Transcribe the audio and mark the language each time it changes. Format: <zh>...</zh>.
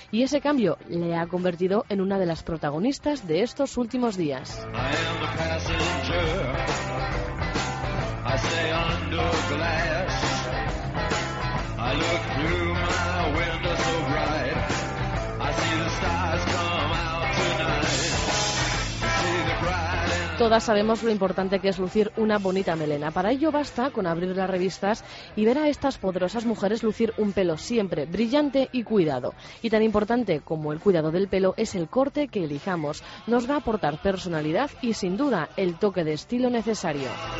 <es>Y ese cambio le ha convertido en una de las protagonistas de estos últimos días.</es> <en>I am a passenger. I stay under glass. I look through my window so bright. I see the stars come out tonight. I see the bright and</en> <es>todas sabemos lo importante que es lucir una bonita melena. Para ello basta con abrir las revistas y ver a estas poderosas mujeres lucir un pelo siempre brillante y cuidado. Y tan importante como el cuidado del pelo es el corte que elijamos. Nos va a aportar personalidad y, sin duda, el toque de estilo necesario.</es>